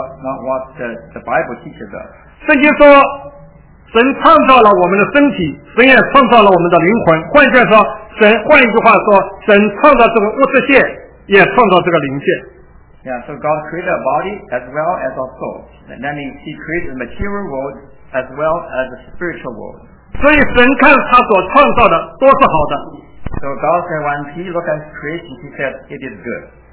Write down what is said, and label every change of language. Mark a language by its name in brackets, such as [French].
[English] not what the Bible teaches us. [Chinese] 圣经说，神创造了我们的身体，神也创造了我们的灵魂。换一句话说，神创造这个物质界，也创造这个灵界。 [English] Yeah, so God created our body as well as our soul. And that means He created the material world as well as the spiritual world. [Chinese] 所以神看他所创造的都是好的。 [English] So God said, when He looked at His creation, He said, it is good.